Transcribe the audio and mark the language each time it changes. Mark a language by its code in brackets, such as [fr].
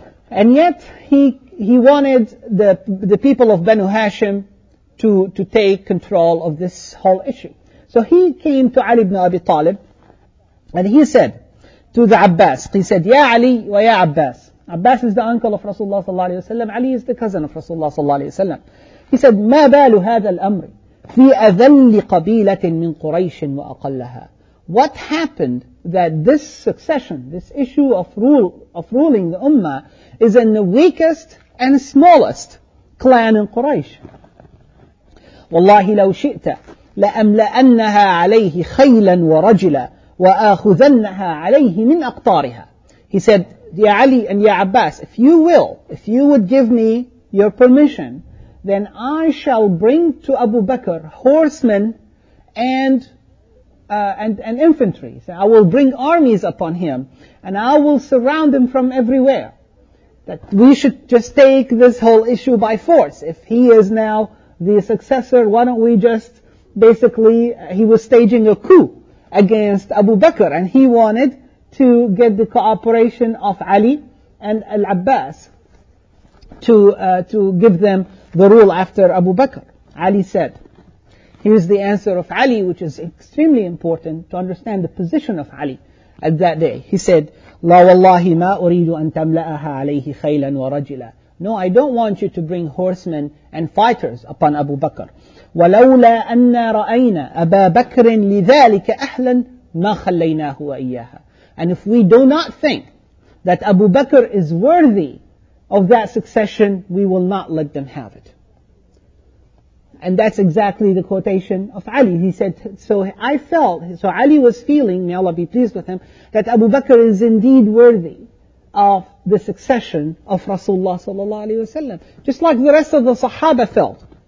[en] And yet, he wanted the people of Banu Hashim to take control of this whole issue. So he came to Ali ibn Abi Talib, and he said to the Abbas, he said, Ya Ali wa Ya Abbas, Abbas is the uncle of Rasulullah [ar] صلى الله عليه وسلم. [en] Ali is the cousin of Rasulullah صلى الله عليه وسلم. He said, [ar] ما بال هذا الأمر في أذل قبيلة من قريش وأقلها. [en] What happened that this succession, this issue of ruling the ummah, is in the weakest and smallest clan in Quraysh? [ar] والله لو شئت لأملأنها عليه خيلا ورجلا وآخذنها عليه من أقطارها. [en] He said, Ya Ali and Ya Abbas, if you will, if you would give me your permission, then I shall bring to Abu Bakr horsemen and infantry. So I will bring armies upon him and I will surround him from everywhere. That we should just take this whole issue by force. If he is now the successor, why don't we just basically, he was staging a coup against Abu Bakr and he wanted to get the cooperation of Ali and Al-Abbas to give them the rule after Abu Bakr. Ali said, here's the answer of Ali, which is extremely important to understand the position of Ali at that day. He said, [ar] لا والله ما أريد أن تملأها عليه خيلا ورجلا. [en] No, I don't want you to bring horsemen and fighters upon Abu Bakr. [ar] ولولا أن رأينا أبا بكر لذلك أهلا ما خليناه وإياها. [en] And if we do not think that Abu Bakr is worthy of that succession, we will not let them have it. And that's exactly the quotation of Ali. He said, so Ali was feeling, may Allah be pleased with him, that Abu Bakr is indeed worthy of the succession of Rasulullah sallallahu alayhi wasallam, just like the rest of the Sahaba felt.